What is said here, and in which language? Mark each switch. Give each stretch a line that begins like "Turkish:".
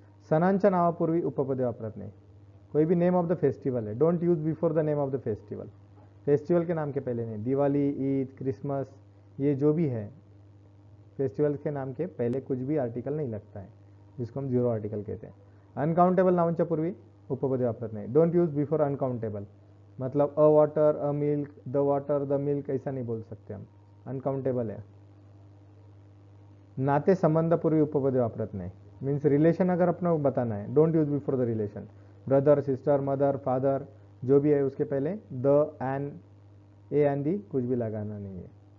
Marathi: सनांचा नावापूर्वी उपपद वापरत नहीं.
Hindi: कोई भी नेम ऑफ द फेस्टिवल है,
English: Don't use before the name of the festival.
Hindi: Festival के नाम के पहले नहीं. दिवाली, ईद, क्रिसमस, ये जो भी है फेस्टिवल के नाम के पहले कुछ भी आर्टिकल नहीं लगता है, जिसको हम जीरो आर्टिकल कहते हैं.
Marathi: अनकाउंटेबल नाउनच्या पूर्वी उपपद वापरत नहीं.
English: don't use before uncountable,
Hindi: मतलब अ water, a milk, the water, the milk, ऐसा नहीं बोल सकते हम, अनकाउंटेबल है.
Marathi: नाते संबंध पूर्वी उपपद वापरत नहीं.
Hindi: मीन्स रिलेशन अगर अपना बताना है,
English: Don't use before the relation.
Hindi: Brother, sister, mother, father, जो भी है उसके पहले द, एन, ए एन दी कुछ भी लगाना नहीं है.